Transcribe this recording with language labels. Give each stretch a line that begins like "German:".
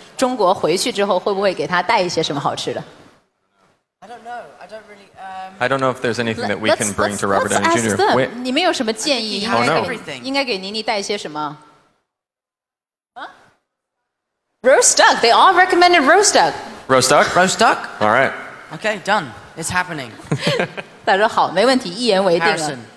Chinese: 我刚问问他，他既然这个妮妮给他带了好吃的，他这次从中国回去之后会不会给他带一些什么好吃的？
English: I don't know. I don't really. I don't know if there's anything that we can bring to Robert Downey Jr.
Chinese: 你们有什么建议？应该给妮妮带一些什么？
English: Roast duck. They all recommended roast duck. Roast duck. Roast duck. All right. Okay. Done. It's happening.
Chinese: 他说好，没问题，一言为定了。